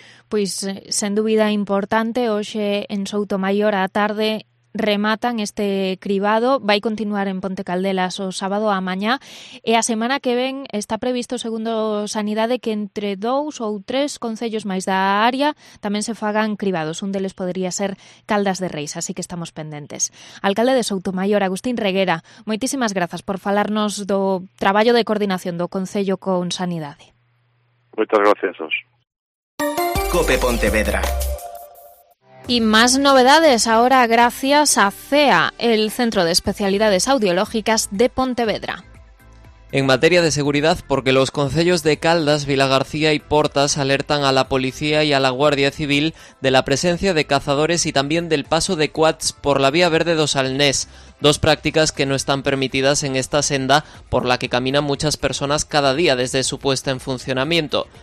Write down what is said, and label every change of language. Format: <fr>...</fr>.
<gl>Pois, sen dúbida importante, hoxe en Soutomaior á tarde rematan este cribado, vai continuar en Ponte Caldelas o sábado á mañá, e a semana que ven está previsto, segundo Sanidade, que entre 2 ou 3 concellos máis da área tamén se fagan cribados. Un deles podría ser Caldas de Reis, así que estamos pendentes. Alcalde de Soutomaior, Agustín Reguera, moitísimas grazas por falarnos do traballo de coordinación do concello con Sanidade. Moitas gracias a vos. COPE Pontevedra.</gl> <es>Y más novedades ahora gracias a CEA, el Centro de Especialidades Audiológicas de Pontevedra. En materia de seguridad, porque los concellos de Caldas, Vilagarcía y Portas alertan a la policía y a la Guardia Civil de la presencia de cazadores y también del paso de quads por la vía verde dos Alnés, dos prácticas que no están permitidas en esta senda por la que caminan muchas personas cada día desde su puesta en funcionamiento.</es>